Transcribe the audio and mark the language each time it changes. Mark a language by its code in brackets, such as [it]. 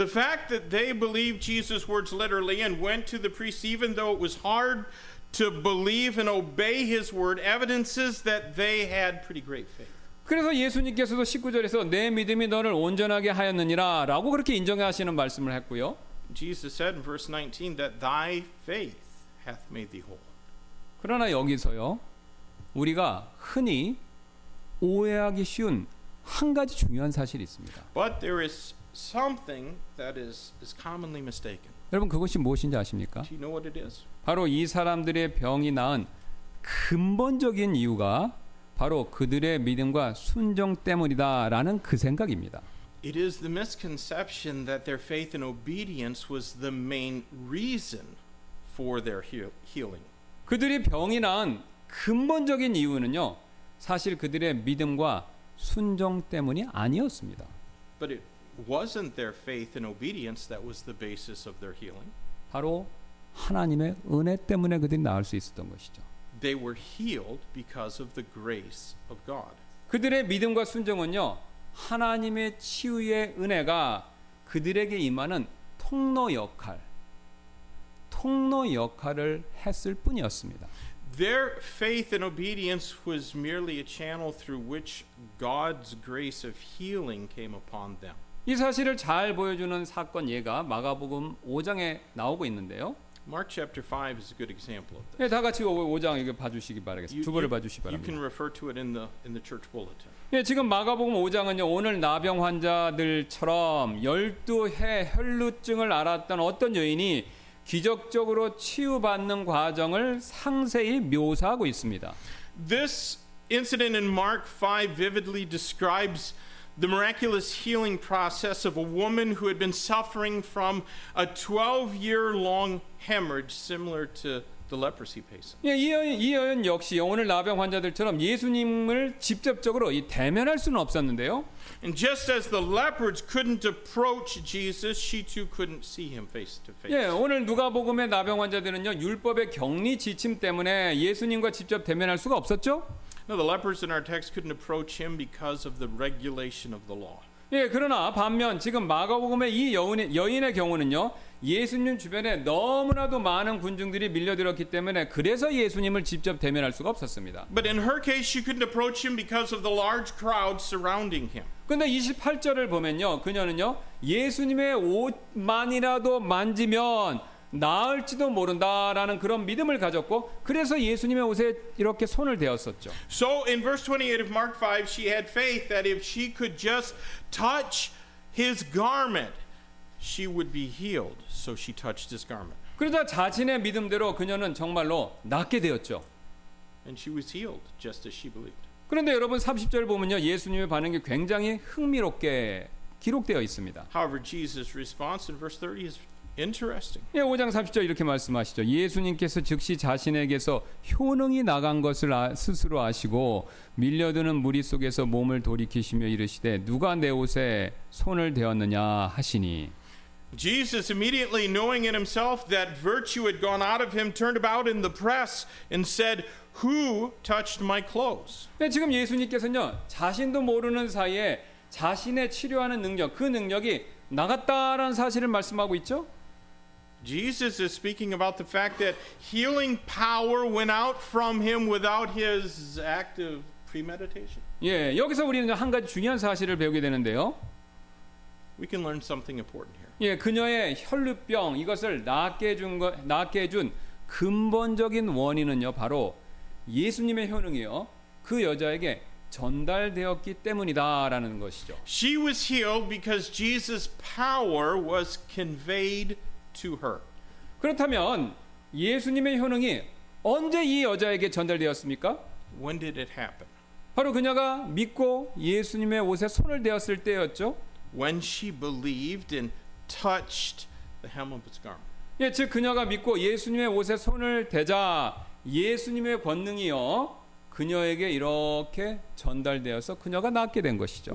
[en] The fact that they believed Jesus' words literally and went to the priest even though it was hard to believe and obey his word evidences that they had pretty great faith. [ko] 그래서 예수님께서도 19절에서 내 믿음이 너를 온전하게 하였느니라라고 그렇게 인정하시는 말씀을 했고요. [en] Jesus said in verse 19 that thy faith hath made thee whole. [ko] 그러나 여기서요. 우리가 흔히 오해하기 쉬운 한 가지 중요한 사실이 있습니다. [en] But there is something that is commonly mistaken. [ko] 여러분 그것이 무엇인지 아십니까? [en] Do you know what it is? [ko] 바로 이 사람들의 병이 나은 근본적인 이유가 바로 그들의 믿음과 순종 때문이다라는 그 생각입니다. [en] It is the misconception that their faith and obedience was the main reason for their healing. [ko] 그들이 병이 나은 근본적인 이유는요. 사실 그들의 믿음과 순종 때문이 아니었습니다. [en] But it wasn't their faith and obedience that was the basis of their healing. [ko] 바로 하나님의 은혜 때문에 그들이 나을 수 있었던 것이죠. [en] They were healed because of the grace of God. [ko] 그들의 믿음과 순종은요, 하나님의 치유의 은혜가 그들에게 임하는 통로 역할을 했을 뿐이었습니다. [en] Their faith and obedience was merely a channel through which God's grace of healing came upon them. [ko] 이 사실을 잘 보여주는 사건 예가 마가복음 5장에 나오고 있는데요. [en] Mark chapter 5 is a good example of this. [ko] 예, 다 같이 5장 이거 봐주시기 바라겠습니다. 두 번을 봐주시기 바랍니다. [en] You can refer to it in the church bulletin. [ko] 예, 지금 마가복음 5장은요 오늘 나병 환자들처럼 12해 혈루증을 앓았던 어떤 여인이 기적적으로 치유받는 과정을 상세히 묘사하고 있습니다. [en] This incident in Mark 5 vividly describes the miraculous healing process of a woman who had been suffering from a 12-year-long hemorrhage similar to the leprosy patient. [ko] 예, 이 여인 역시 오늘 나병 환자들처럼 예수님을 직접적으로 대면할 수는 없었는데요. [en] And just as the lepers couldn't approach Jesus, she too couldn't see him face to face. [ko] 예, 오늘 누가복음의 나병 환자들은요, 율법의 격리 지침 때문에 예수님과 직접 대면할 수가 없었죠? [en] No, the lepers in our text couldn't approach him because of the regulation of the law. [ko] 예, 그러나 반면 지금 마가복음의 이 여인의 경우는요, 예수님 주변에 너무나도 많은 군중들이 밀려들었기 때문에 그래서 예수님을 직접 대면할 수가 없었습니다. [en] But in her case, she couldn't approach him because of the large crowd surrounding him. [ko] 근데 28절을 보면요, 그녀는요, 예수님의 옷만이라도 만지면 나을지도 모른다라는 그런 믿음을 가졌고 그래서 예수님의 옷에 이렇게 손을 대었었죠. [en] So in verse 28 of Mark 5, she had faith that if she could just touch his garment, she would be healed. So she touched his garment. [ko] 그러자 자신의 믿음대로 그녀는 정말로 낫게 되었죠. [en] And she was healed just as she believed. [ko] 그런데 여러분 30절 보면요, 예수님의 반응이 굉장히 흥미롭게 기록되어 있습니다. [en] However, Jesus' response in verse 30 is interesting. [ko] 예, 5장 30절 이렇게 말씀하시죠. 예수님께서 즉시 자신에게서 효능이 나간 것을 스스로 아시고 밀려드는 무리 속에서 몸을 돌이키시며 이르시되 누가 내 옷에 손을 대었느냐 하시니. [en] Jesus immediately knowing in himself that virtue had gone out of him turned about in the press and said, "Who touched my clothes?" [ko] 네, 지금 예수님께서는요, 자신도 모르는 사이에 자신의 치료하는 능력, 그 능력이 나갔다라는 사실을 말씀하고 있죠. [en] Jesus is speaking about the fact that healing power went out from him without his active premeditation. [ko] 예, 여기서 우리는 한 가지 중요한 사실을 배우게 되는데요. [en] We can learn something important here. [ko] 예, 그녀의 혈루병 이것을 낫게 해준 근본적인 원인은요, 바로 예수님의 효능이요, 그 여자에게 전달되었기 때문이다라는 것이죠. [en] She was healed because Jesus' power was conveyed to her. [ko] 그렇다면 예수님의 효능이 언제 이 여자에게 전달되었습니까? [en] When did it happen? [ko] 바로 그녀가 믿고 예수님의 옷에 손을 대었을 때였죠. [en] When she believed and touched the hem of his garment. [ko] 예, 즉 그녀가 믿고 예수님의 옷에 손을 대자 예수님의 권능이요 그녀에게 이렇게 전달되어서 그녀가 낫게 된 것이죠.